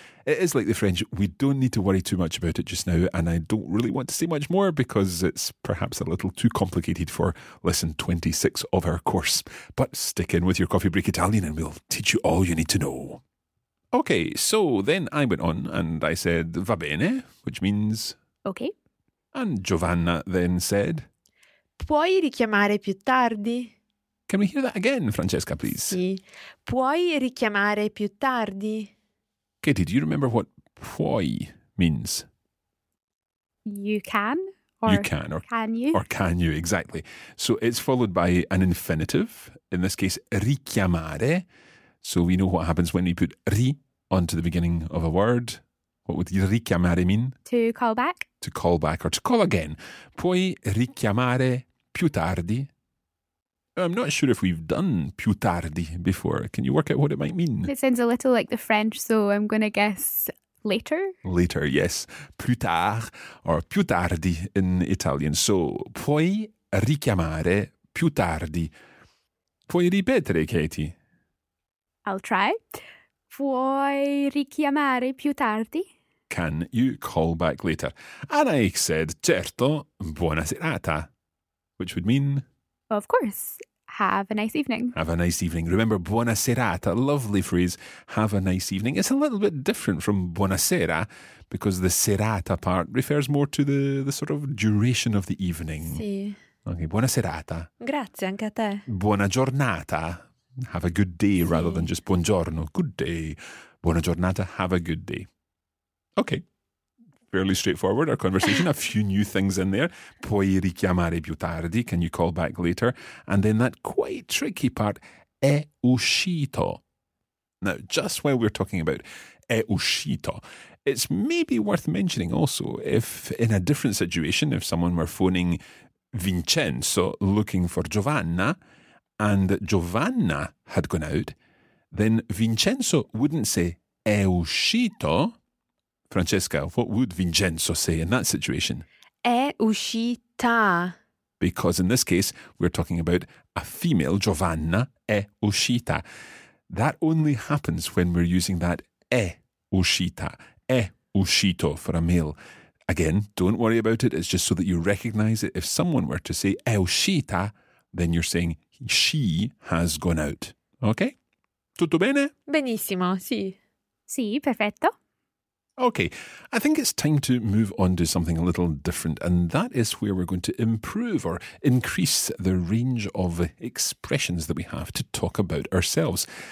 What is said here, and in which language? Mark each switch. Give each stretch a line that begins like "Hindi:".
English: It is like the French, we don't need to worry too much about it just now, and I don't really want to say much more because it's perhaps a little too complicated for lesson 26 of our course. But stick in with your coffee break Italian and we'll teach you all you need to know. Okay, so then I went on and I said, va bene, which means... Okay. And Giovanna then said...
Italian: Puoi richiamare più tardi?
English: Can we hear that again, Francesca, please?
Italian: Sì. Puoi richiamare più tardi?
English: Katie, do you remember what puoi means? You can? Or you can. Or can you? Or can you, exactly. So it's followed by an infinitive, in this case, richiamare. So we know what happens when we put ri onto the beginning of a word. What would you, richiamare mean? To call back. To call back or to call again.
Italian: Puoi richiamare più tardi?
English: I'm not sure if we've done più tardi before. Can you work out what it might mean? It sounds a little like the French, so I'm going to guess later. Later, yes.
Italian: Plus tard or più tardi
English: in Italian.
Italian: So, puoi richiamare più tardi. Puoi ripetere, Katie?
English: I'll try.
Italian: Puoi richiamare più tardi?
English: Can you call back later? And I said,
Italian: certo, buona serata.
English: Which would mean? Of course. Have a nice evening. Have a nice evening. Remember, buona serata, lovely phrase. Have a nice evening. It's a little bit different from buonasera because the serata part refers more to the sort of duration of the evening.
Italian: Sì. Okay, buona serata. Grazie, anche a te. Buona giornata.
English: Have a good day sì. rather than just buongiorno. Good day. Buona giornata. Have a good day. Okay. Fairly straightforward, our conversation, a few new things in there.
Italian: Puoi richiamare più tardi,
English: can you call back later? And then that quite tricky part, è uscito. Now, just while we're talking about è uscito, it's maybe worth mentioning also, if in a different situation, if someone were phoning Vincenzo looking for Giovanna, and Giovanna had gone out, then Vincenzo wouldn't say è uscito. Francesca, what would Vincenzo say in that situation?
Italian: È uscita.
English: Because in this case, we're talking about a female, Giovanna, è uscita. That only happens when we're using that è uscita, è uscito for a male. Again, don't worry about it. It's just so that you recognize it. If someone were to say è uscita, then you're saying she has gone out.
Italian: Okay? Tutto bene? Benissimo, sì. Sì, perfetto.
English: Okay, I think it's time to move on to something a little different, and that is where we're going to improve or increase the range of expressions that we have to talk about ourselves.